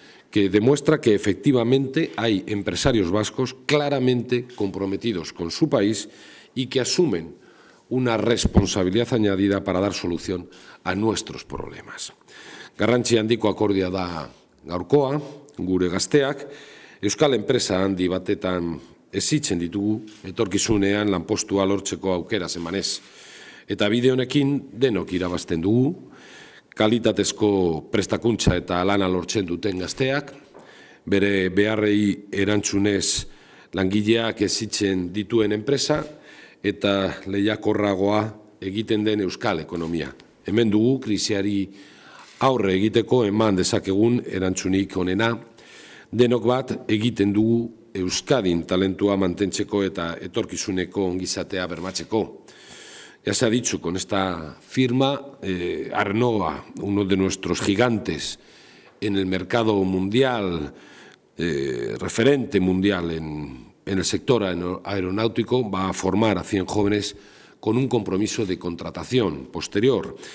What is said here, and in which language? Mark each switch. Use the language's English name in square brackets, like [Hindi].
[Spanish] que demuestra que efectivamente hay empresarios vascos claramente comprometidos con su país y que asumen una responsabilidad añadida para dar solución a nuestros problemas. [Basque] Garrantzi handiko akordia da gaurkoa, gure gazteak, Euskal enpresa handi batetan ezitzen ditugu, etorkizunean lanpostua lortzeko aukera zemanez. Eta bide honekin denok irabazten dugu, kalitatezko prestakuntza eta lana lortzen duten gazteak, bere beharrei erantzunez langileak ezitzen dituen enpresa, eta lehiakorragoa egiten den euskal ekonomia. Hemen dugu krisiari aurre egiteko eman dezakegun erantzunik onena, denok bat egiten dugu Euskadin talentua mantentzeko eta etorkizuneko ongizatea bermatzeko. [Spanish] Ya se ha dicho, con esta firma, Aernnova, uno de nuestros gigantes en el mercado mundial, referente mundial en el sector aeronáutico, va a formar a 100 jóvenes con un compromiso de contratación posterior.